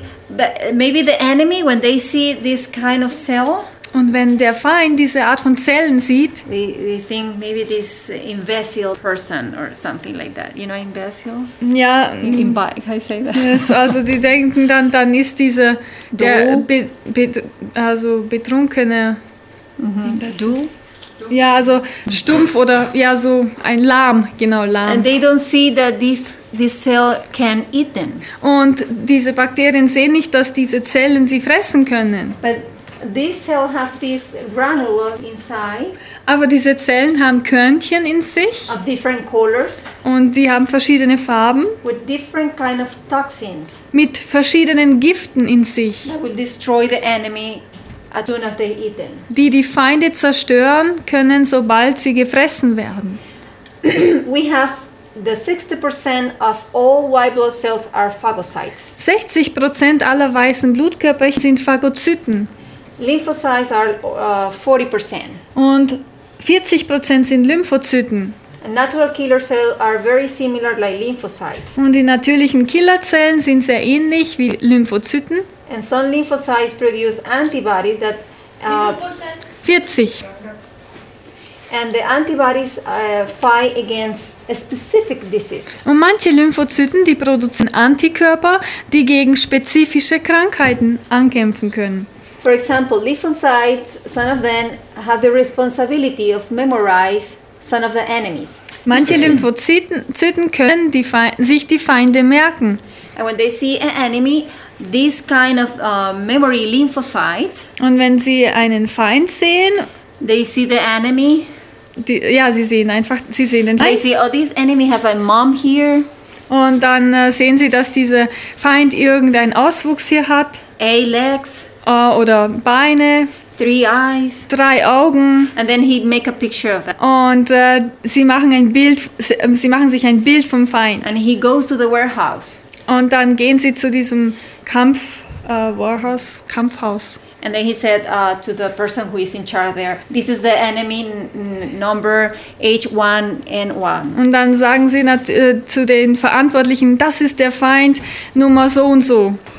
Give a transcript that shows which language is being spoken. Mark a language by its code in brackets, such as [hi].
[en] But maybe the enemy, when they see this kind of cell. [de] Und wenn der Feind diese Art von Zellen sieht, [en] they think maybe this imbecile person or something like that. You know, imbecile? [de] Ja. [en] How you say that? [de] Yes, also die denken dann ist dieser betrunkene. Du? Ja, also stumpf oder ja, so ein Lahm, genau, Lahm. [en] And they don't see that this cell can eat them. [de] Und diese Bakterien sehen nicht, dass diese Zellen sie fressen können. [en] But this cell have these granules inside. [de] Aber diese Zellen haben Körnchen in sich. [en] Of different colors. [de] Und die haben verschiedene Farben. [en] With different kind of toxins. [de] Mit verschiedenen Giften in sich. [en] That will destroy the enemy as soon as they eat them. [de] Die Feinde zerstören können, sobald sie gefressen werden. [en] We have the 60% of all white blood cells are phagocytes. [de] 60% aller weißen Blutkörperchen sind Phagozyten. [en] Lymphocytes are 40%. [de] Und 40% sind Lymphozyten. [en] Natural killer cells are very similar like lymphocytes. [de] Und die natürlichen Killerzellen sind sehr ähnlich wie Lymphozyten. [en] And some lymphocytes produce antibodies that 40. And the antibodies fight against a specific disease. [de] Und manche Lymphozyten, die produzieren Antikörper, die gegen spezifische Krankheiten ankämpfen können. [en] For example, lymphocytes, some of them have the responsibility of memorize some of the enemies. [de] Manche Lymphozyten können sich die Feinde merken. [en] And when they see an enemy, this kind of memory lymphocytes. [de] Und wenn sie einen Feind sehen, [en] they see the enemy. [de] Sie sehen den Feind. [en] They see, oh, this enemy have a mom here. [de] Und dann sehen sie, dass dieser Feind irgendeinen Auswuchs hier hat. [en] A legs. [de] Oder Beine. [en] Three eyes. [de] Drei Augen. [en] And then he make a picture of it. [de] Und sie machen sich ein Bild vom Feind. [en] And he goes to the warehouse. [de] Und dann gehen sie zu diesem Kampfhaus. [en] And then he said to the person who is in charge there, this is the enemy number H1N1. [de] Und dann sagen sie zu den Verantwortlichen, das ist der Feind Nummer so und so.